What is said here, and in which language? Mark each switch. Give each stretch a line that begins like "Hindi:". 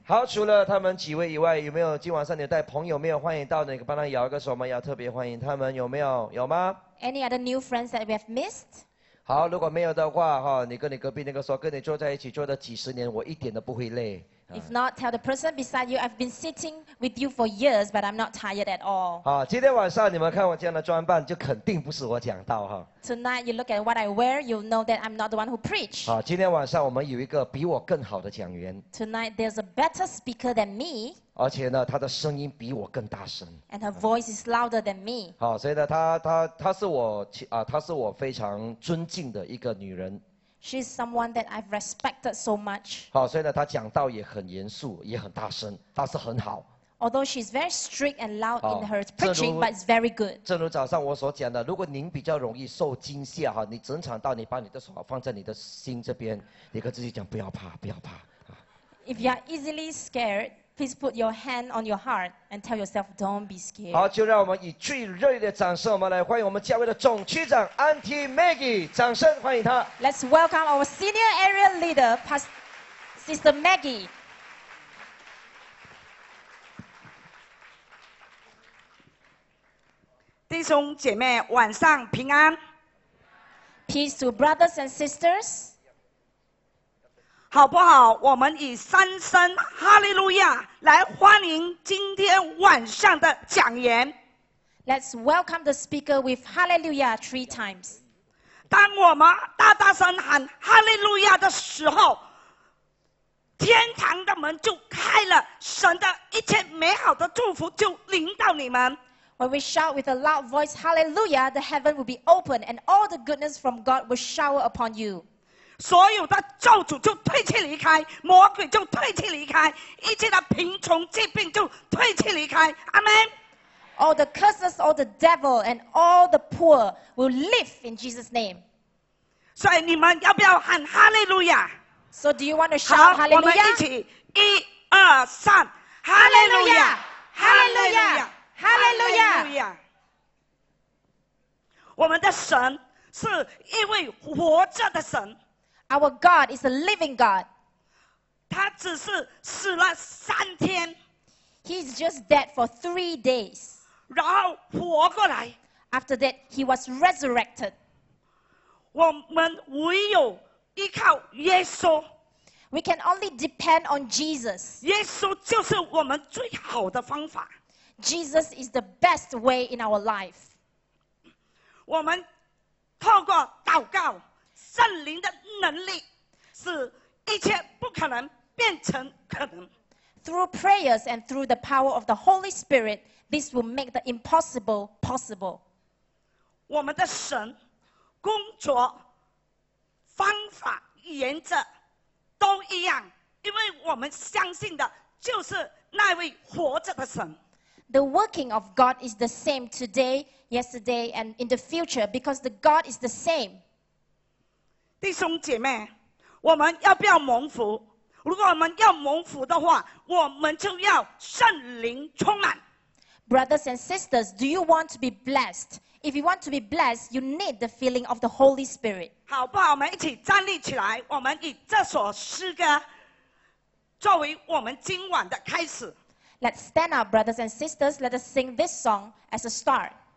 Chinese: 好，除了他们几位以外，有没有今晚上你带朋友没有欢迎到的？你帮他摇个手，我们要特别欢迎他们，有没有？有吗
English: ？Any other new friends that we have missed？
Chinese: 好，如果没有的话哈，你跟你隔壁那个说，跟你坐在一起坐了几十年，我一点都不会累。
English: If not, tell the person beside you, I've been sitting with you for years, but I'm not tired at all.
Chinese: 好，今天晚上你们看我这样的装扮，就肯定不是我讲道哈。
English: Tonight, you look at what I wear, you'll know that I'm not the one who preach.
Chinese: 好，今天晚上我们有一个比我更好的讲员。
English: Tonight, there's a better speaker than me.
Chinese: 而且呢，他的声音比我更大声。
English: And her voice is louder than me.
Chinese: 好，所以呢，她是我她是我非常尊敬的一个女人。
English: She's someone that I've respected so much.
Chinese: 好，所以呢，她讲道也很严肃，也很大声，但是很好。
English: Although she's very strict and loud in her preaching, but it's very good.
Chinese: 正如早上我所讲的，如果您比较容易受惊吓哈，你整场道，你把你的手放在你的心这边，你跟自己讲不要怕，不要怕。
English: If you are easily scared, please put your hand on your heart and tell yourself, "Don't be scared."
Chinese: 好，就让我们以最热烈的掌声，我们来欢迎我们教会的总区长 Auntie Maggie， 掌声欢迎她。
English: Let's welcome our senior area leader, Sister Maggie.
Chinese: Dear 兄姐妹，晚上平安。
English: Peace to brothers and sisters.
Chinese: 好不好？我们以三声哈利路亚来欢迎今天晚上的讲员。
English: Let's welcome the speaker with Hallelujah three times.
Chinese: 当我们大大声喊 Hallelujah 的时候，天堂的门就开了，神的一切美好的祝福就临到你们。
English: When we shout with a loud voice Hallelujah, the heaven will be open and all the goodness from God will shower upon you.
Chinese: 所有的咒诅就退去离开，魔鬼就退去离开，一切的贫穷疾病就退去离开。阿门。
English: All the curses, all the devil, and all the poor will live in Jesus' name.
Chinese: 所以你们要不要喊哈利路亚
English: ？So do you want to shout Hallelujah?
Chinese: 好，我们一起，一二三，哈利路亚，哈利路亚，哈利路亚，哈利路亚。我们的神是一位活着的神。
English: Our God is a living God.
Chinese: 他只是死了三天。
English: He's just dead for 3 days.
Chinese: 然后活过来。
English: After that, he was resurrected.
Chinese: 我们唯有依靠耶稣。
English: We can only depend on Jesus.
Chinese: 耶稣就是我们最好的方法。
English: Jesus is the best way in our life.
Chinese: 我们透过祷告。圣灵的能力使一切不可能变成可能。
English: Through prayers and through the power of the Holy Spirit, this will make the impossible possible.
Chinese: 我们的神工作方法原则都一样，因为我们相信的就是那位活着的神。
English: The working of God is the same today, yesterday, and in the future because the God is the same.
Chinese: 弟兄姐妹，我们要不要蒙福？如果我们要蒙福的话，我们就要圣灵充满。
English: Brothers and sisters, do you want to be blessed? If you want to be blessed, you need the filling of the Holy Spirit.
Chinese: 好不好？我们一起站立起来，我们以这首诗歌作为我们今晚的开始。
English: Let's stand up, brothers and sisters. Let us sing this song as a start.